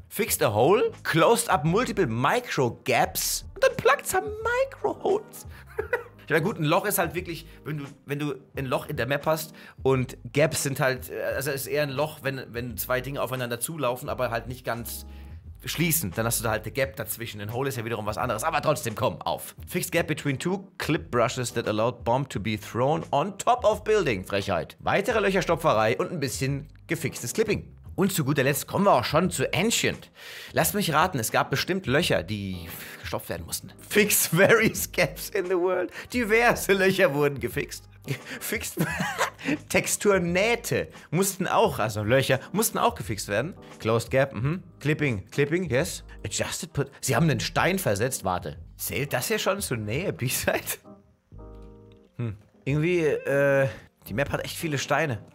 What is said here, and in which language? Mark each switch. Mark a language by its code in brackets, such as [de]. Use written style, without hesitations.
[en] Fixed a hole, closed up multiple micro gaps, [de] und dann [en] plugged some micro holes. [de] Ich meine, gut, ein Loch ist halt wirklich, wenn du ein Loch in der Map hast und Gaps sind halt, also ist eher ein Loch, wenn zwei Dinge aufeinander zulaufen, aber halt nicht ganz schließen, dann hast du da halt eine Gap dazwischen. Ein Hole ist ja wiederum was anderes, aber trotzdem, komm, auf. [en] Fixed Gap between two clip brushes that allowed bomb to be thrown on top of building. [de] Frechheit. Weitere Löcherstopferei und ein bisschen gefixtes Clipping. Und zu guter Letzt kommen wir auch schon zu Ancient. Lasst mich raten, es gab bestimmt Löcher, die gestopft werden mussten. [en] Fix various gaps in the world. [de] Diverse Löcher wurden gefixt. Fixed Texturnähte mussten auch, also Löcher, mussten auch gefixt werden. [en] Closed Gap, [de] mhm. [en] Clipping, yes. Adjusted Put. [de] Sie haben einen Stein versetzt, warte. Zählt das hier schon zu Nähe, B-Side? Irgendwie, die Map hat echt viele Steine.